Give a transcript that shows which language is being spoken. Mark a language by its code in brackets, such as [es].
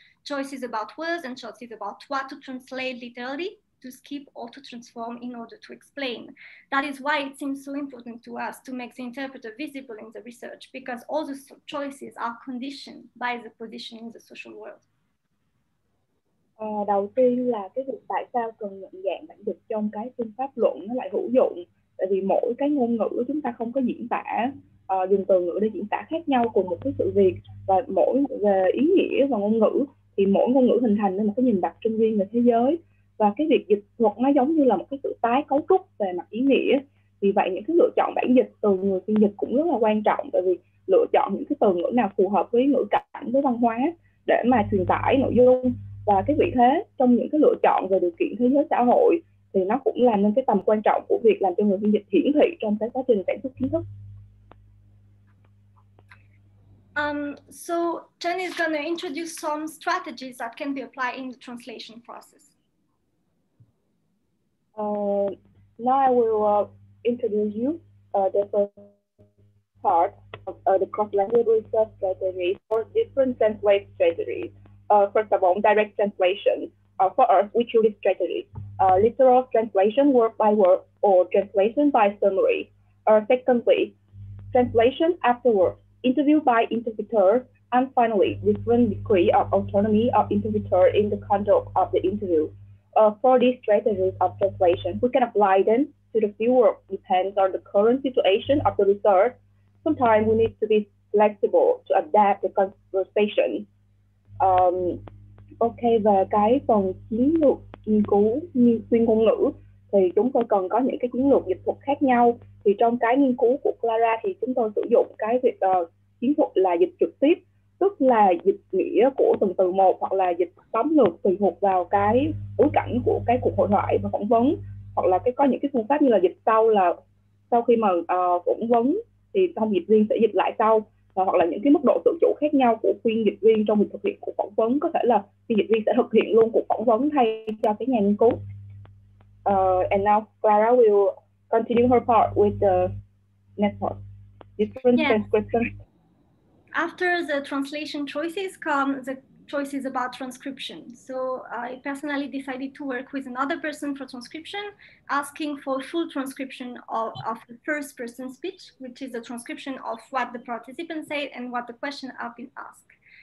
[en] Choices about words and choices about what to translate literally, to skip or to transform in order to explain. That is why it seems so important to us to make the interpreter visible in the research, because all the choices are conditioned by the position in the social world. [vi] Đầu tiên là cái việc tại sao cần nhận dạng bản dịch trong cái phương pháp luận nó lại hữu dụng. Tại vì mỗi cái ngôn ngữ chúng ta không có diễn tả, dùng từ ngữ để diễn tả khác nhau cùng một cái sự việc. Và mỗi ý nghĩa và ngôn ngữ thì mỗi ngôn ngữ hình thành nên một cái nhìn đặc trưng riêng về thế giới. Và cái việc dịch thuật nó giống như là một cái sự tái cấu trúc về mặt ý nghĩa. Vì vậy những cái lựa chọn bản dịch từ người phiên dịch cũng rất là quan trọng. Tại vì lựa chọn những cái từ ngữ nào phù hợp với ngữ cảnh, với văn hóa để mà truyền tải nội dung. Và cái vị thế trong những cái lựa chọn về điều kiện thế giới xã hội thì nó cũng làm nên cái tầm quan trọng của việc làm cho người phiên dịch hiển thị trong cái quá trình sản xuất kiến thức. [en] So Chen is going to introduce some strategies that can be applied in the translation process. Now I will introduce you the first part of the cross-language research strategy for different translate strategies. First of all, direct translation. For us, we choose this strategy. Literal translation word by word or translation by summary. Secondly, translation afterwards, interview by interpreter. And finally, different degree of autonomy of interpreter in the conduct of the interview. For these strategies of translation, we can apply them to the fieldwork depends on the current situation of the research. Sometimes we need to be flexible to adapt the conversation. [vi] Ok, và cái phần chiến lược nghiên cứu xuyên ngôn ngữ thì chúng tôi cần có những cái chiến lược dịch thuật khác nhau. Thì trong cái nghiên cứu của Clara thì chúng tôi sử dụng cái việc chiến thuật là dịch trực tiếp, tức là dịch nghĩa của từng từ một hoặc là dịch tóm lược tùy thuộc vào cái bối cảnh của cái cuộc hội thoại và phỏng vấn, hoặc là cái có những cái phương pháp như là dịch sau, là sau khi mà phỏng vấn thì xong dịch viên sẽ dịch lại sau, hoặc là những cái mức độ tự chủ khác nhau của phiên dịch viên trong việc thực hiện cuộc phỏng vấn. Có thể là phiên dịch viên sẽ thực hiện luôn cuộc phỏng vấn thay cho cái nhà nghiên cứu. [en] And now Clara will continue her part with the next part. Different transcription. After the translation choices come the choices about transcription. So I personally decided to work with another person for transcription, asking for full transcription of the first person speech, which is the transcription of what the participant said and what the question have been asked.